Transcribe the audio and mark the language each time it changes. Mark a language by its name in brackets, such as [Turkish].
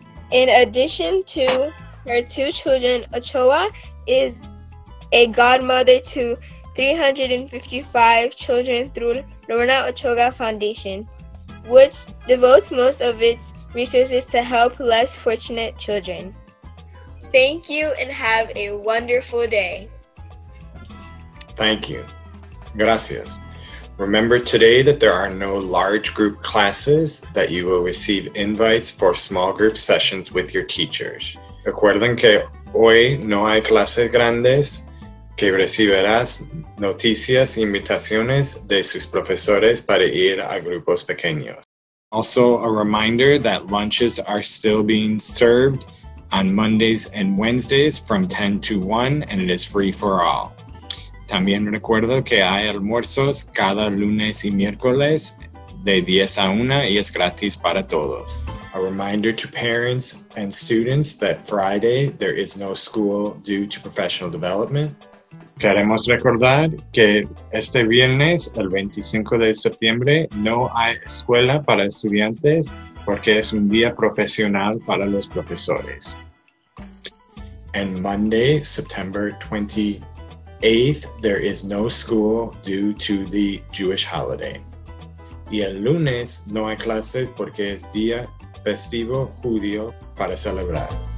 [English] In addition to her two children, Ochoa is a godmother to 355 children through Lorena Ochoa Foundation, which devotes most of its resources to help less fortunate children. Thank you and have a wonderful day. Thank you. [Spanish] Gracias. [English] Remember today that there are no large group classes, that you will receive invites for small group sessions with your teachers. [Spanish] Recuerden que hoy no hay clases grandes, que recibirás noticias e invitaciones de sus profesores para ir a grupos pequeños. [English] Also, a reminder that lunches are still being served on Mondays and Wednesdays from 10 to 1, and it is free for all. [Spanish] También recuerdo que hay almuerzos cada lunes y miércoles de 10 a 1 y es gratis para todos. [English] A reminder to parents and students that Friday there is no school due to professional development. [Spanish] Queremos recordar que este viernes, el 25 de septiembre, no hay escuela para estudiantes porque es un día profesional para los profesores. [English] And Monday, September 28th, there is no school due to the Jewish holiday. [Spanish] Y el lunes no hay clases porque es día festivo judío para celebrar.